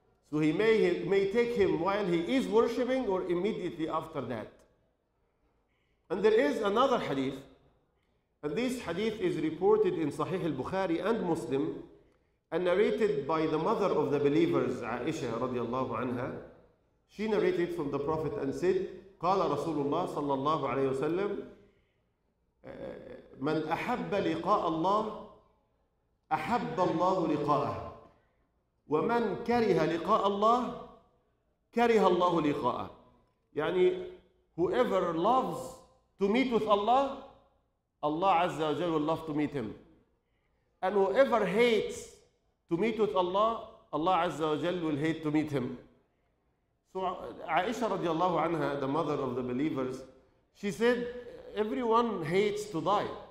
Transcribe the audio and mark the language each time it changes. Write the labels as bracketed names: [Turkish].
[English] So he may take him while he is worshipping or immediately after that. And there is another hadith. And this hadith is reported in Sahih al-Bukhari and Muslim and narrated by the mother of the believers, Aisha radiallahu anha. She narrated from the Prophet and said, [Arabic] قال رسول الله صلى الله عليه وسلم من أحب لقاء الله أحب الله لقاءه ومن كره لقاء الله كره الله لقاءه. [English] يعني whoever loves to meet with Allah, Allah Azza wa Jal will love to meet him. And whoever hates to meet with Allah, Allah Azza wa Jal will hate to meet him. So Aisha radiallahu anha, the mother of the believers, she said, everyone hates to die.